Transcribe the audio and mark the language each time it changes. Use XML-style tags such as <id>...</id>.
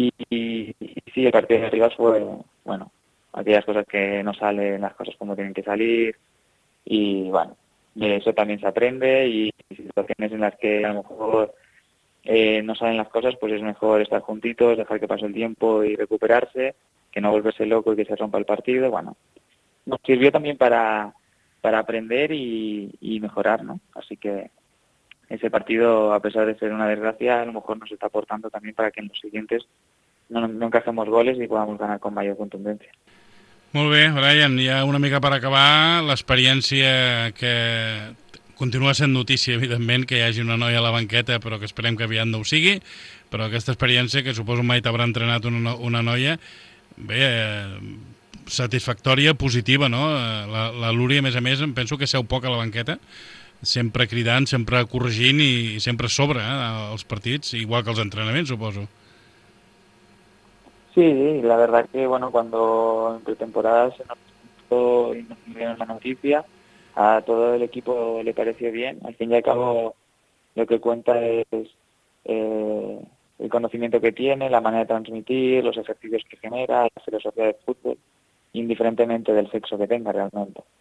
<es>Y sí, el partido de Rivas fue, bueno, aquellas cosas que no salen, las cosas como tienen que salir, y bueno, de eso también se aprende, y situaciones en las que a lo mejor no salen las cosas, pues es mejor estar juntitos, dejar que pase el tiempo y recuperarse, que no volverse loco y que se rompa el partido. Bueno, nos sirvió también para aprender y mejorar, ¿no? Así que ese partido, a pesar de ser una desgracia, a lo mejor nos está aportando también para que en los siguientes no encajemos goles y podamos ganar con mayor contundencia.</es> <ca>Molt bé, Brian, ja una mica per acabar, l'experiència que continua sent notícia, evidentment, que hi hagi una noia a la banqueta, però que esperem que aviat no ho sigui, però aquesta experiència, que suposo mai t'haurà entrenat una noia, bé, satisfactòria, positiva, no? La Lúria, a més, em penso que seu poc a la banqueta, sempre cridant, sempre corregint i sempre sobre els partits, igual que els entrenaments, suposo.</ca> <es>Sí, la verdad que, bueno, cuando en pretemporada se nos puso y nos dieron la noticia, a todo el equipo le pareció bien. Al fin y al cabo, lo que cuenta es el conocimiento que tiene, la manera de transmitir, los ejercicios que genera, la filosofía del fútbol, indiferentemente del sexo que tenga realmente.</es>